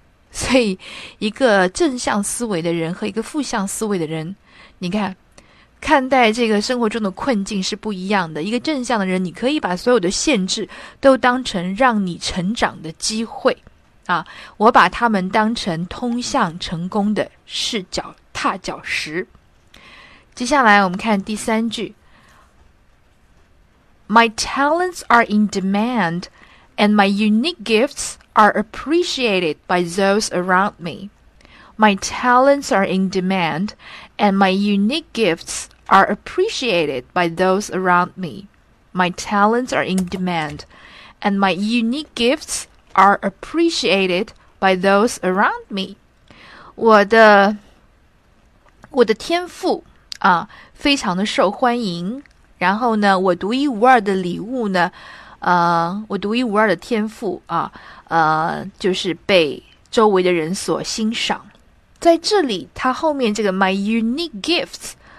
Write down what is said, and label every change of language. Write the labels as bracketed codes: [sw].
[zh] 所以一个正向思维的人和一个负向思维的人你看看待这个生活中的困境是不一样的。一个正向的人，你可以把所有的限制都当成让你成长的机会。我把它们当成通向成功的视角踏脚石。接下来我们看第三句。 [en] My talents are in demand, and my unique gifts are appreciated by those around me. My talents are in demand, and my unique gifts. Are appreciated by those around me. My talents are in demand, and my unique gifts are appreciated by those around me. [zh] 我的天赋啊，非常的受欢迎。然后呢，我独一无二的礼物呢，我独一无二的天赋啊，就是被周围的人所欣赏。在这里，它后面这个 [en] my unique gifts。